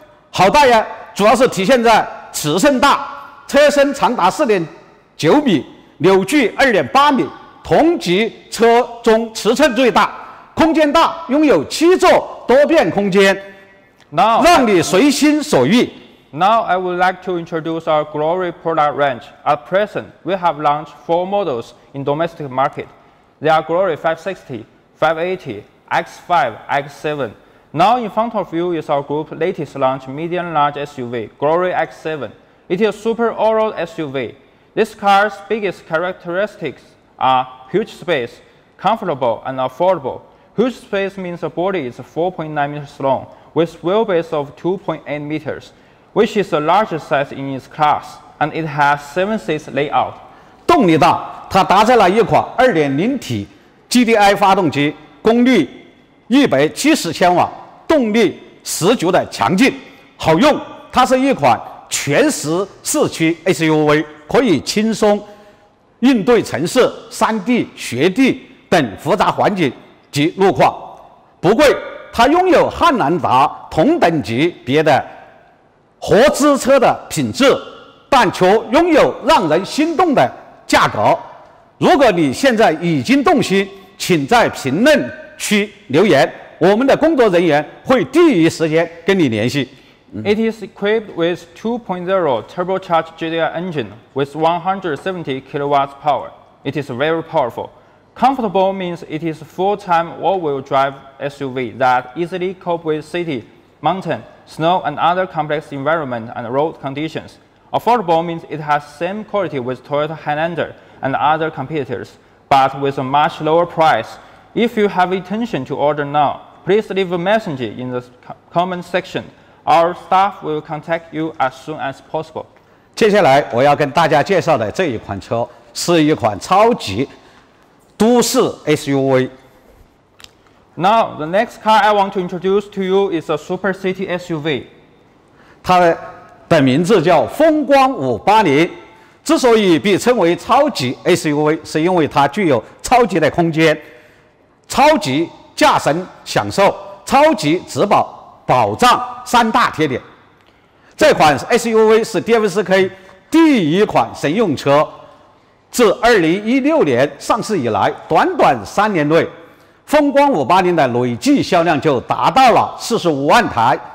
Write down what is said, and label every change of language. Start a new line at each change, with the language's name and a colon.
Chinese: 好大呀，主要是体现在尺寸大，车身长达4.9米，扭矩2.8米，同级车中尺寸最大，空间大，拥有7座多变空间，让你随心所欲。
English: Now I would like to introduce our glory product range. At present, we have launched 4 models in domestic market. They are glory 560, 580, X5, X7. Now in front of you is our group latest launch medium large SUV, glory X7. It is a super all-road SUV. This car's biggest characteristics. Huge space, comfortable and affordable. Huge space means the body is 4.9 meters long with wheelbase of 2.8 meters, which is the largest size in its class, and it has 7-seat layout.
Chinese: 动力大，它搭载了一款 2.0 体 GDI 发动机，功率170千瓦，动力十足的强劲，好用。它是一款全时四驱 SUV， 可以轻松应对城市、山地、雪地等复杂环境及路况。不贵，它拥有汉兰达同等级别的合资车的品质，但却拥有让人心动的价格。如果你现在已经动心，请在评论区留言，我们的工作人员会第一时间跟你联系。
English: It is equipped with 2.0 turbocharged GDI engine with 170 kilowatts power. It is very powerful. Comfortable means it is full-time all-wheel drive SUV that easily cope with city, mountain, snow and other complex environment and road conditions. Affordable means it has same quality with Toyota Highlander and other competitors, but with a much lower price. If you have intention to order now, please leave a message in the comment section. Our staff will contact you as soon as possible.
Chinese: 接下来我要跟大家介绍的这一款车是一款超级都市 SUV.
English: Now, the next car I want to introduce to you is a super city SUV.
Chinese: 它的名字叫风光580。之所以被称为超级 SUV， 是因为它具有超级的空间、超级驾乘享受、超级质保保障三大特点。这款 SUV 是 DFSK 第一款乘用车，自2016年上市以来，短短3年内，风光580的累计销量就达到了45万台。